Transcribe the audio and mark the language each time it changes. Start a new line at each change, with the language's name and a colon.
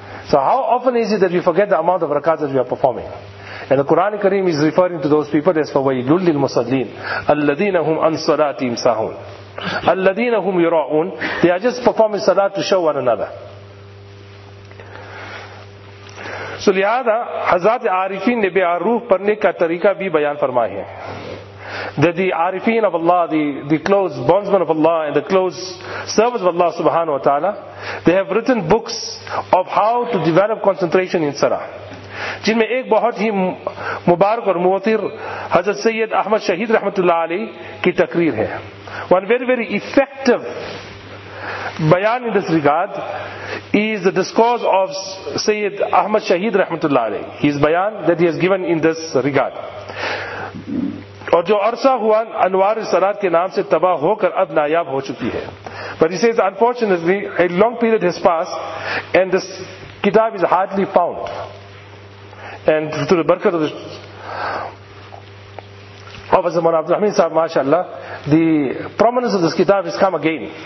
English: So how often is it that we forget the amount of rakats that we are performing? And the Quran Kareem is referring to those people as
Arabic: فَوَيْلُ لِلْمُصَلِّينَ الَّذِينَ هُمْ عَنْ صَلَاتِهِمْ سَاهُونَ الَّذِينَ هُمْ يُرَاعُونَ.
English: They are just performing salat to show one another.
Urdu: So لہذا حضرات عارفین نے بے عروح پڑھنے کا طریقہ بھی بیان فرمائے ہیں.
English: That the عارفین of Allah, the close bondsmen of Allah and the close servants of Allah subhanahu wa ta'ala, they have written books of how to develop concentration in salah.
Urdu: جن میں ایک بہت ہی مبارک اور موثر حضرت سید احمد شہید رحمت اللہ علیہ کی تقریر ہے.
English: One very very effective bayan in this regard is the discourse of Sayyid Ahmad Shaheed Rahmatullah Alayh. His bayan that he has given in this regard.
Urdu: اور جو عرصہ ہوا انوار السرات کے نام سے تباہ ہو کر اب نایاب ہو چکی ہے.
English: But he says unfortunately a long period has passed and this kitab is hardly found. And through the barakat of the Professor Mawlana Abdul Rahman Sahib, MashaAllah, the prominence of this kitab has come again.